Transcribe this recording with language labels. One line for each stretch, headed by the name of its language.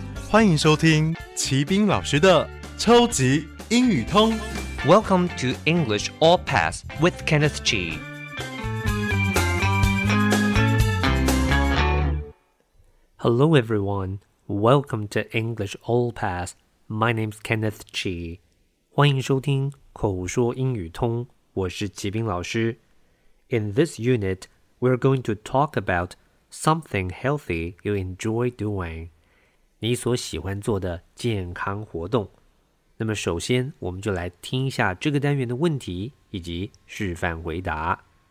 Chinese: 欢迎收听齐宾老师的超级英语通。
English: Welcome to English All Pass with Kenneth G. Hello, everyone. Welcome to English All Pass. My name's Kenneth G.
Chinese: 欢迎收听口说英语通。我是齐宾老师。
English: In this unit, we're going to talk about something healthy you enjoy doing.
Chinese: 你所喜欢做的健康活动。那么首先我们就来听一下这个单元的问题以及示范回答。